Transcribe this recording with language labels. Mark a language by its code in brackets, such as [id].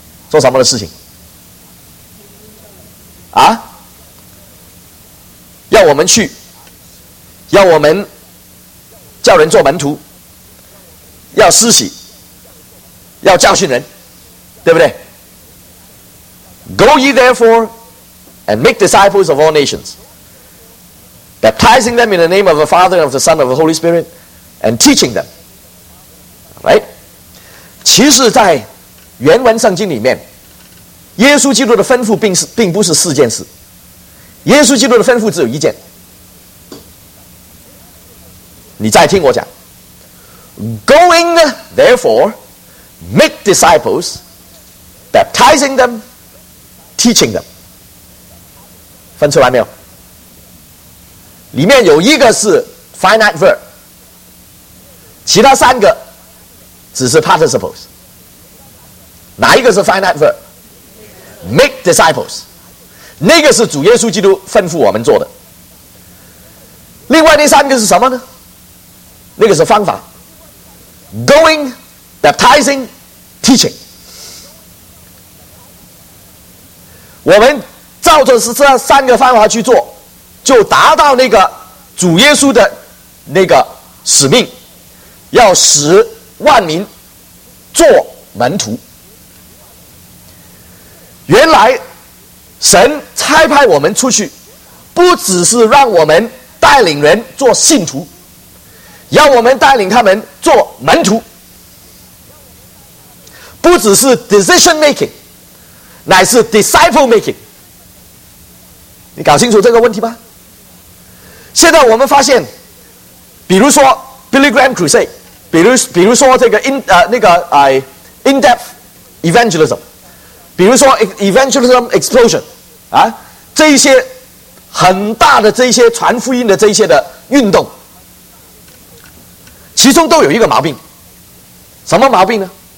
[zh] 做什么的事情啊？要我们去，要我们叫人做门徒，要施洗，要教训人，对不对？ [en] Go ye therefore and make disciples of all nations, baptizing them in the name of the Father and of the Son and of the Holy Spirit, and teaching them. Right? [zh] 其实在原文圣经里面，耶稣基督的吩咐 并不是四件事，耶稣基督的吩咐只有一件。你再听我讲， [en] Going therefore make disciples, baptizing them, teaching them. [zh] 分出来没有？里面有一个是 finite verb， 其他三个只是 participles。哪一个是 finite verb？ [en] Make disciples， [zh] 那个是主耶稣基督吩咐我们做的。另外那三个是什么呢？那个是方法， [en] Going, baptizing, teaching。 [zh] 我们照着是这三个方法去做，就达到那个主耶稣的那个使命，要使万民做门徒。原来神差派我们出去，不只是让我们带领人做信徒，要我们带领他们做门徒。不只是 [en] decision making， [zh] 乃是 [en] disciple making。 [zh] 你搞清楚这个问题吧。现在我们发现，比如说 Billy Graham Crusade， 比如说这个 in-depth evangelism，比如说 evangelism explosion， 啊，这一些很大的这一些传福音的这一些的运动，其中都有一个毛病。什么毛病呢？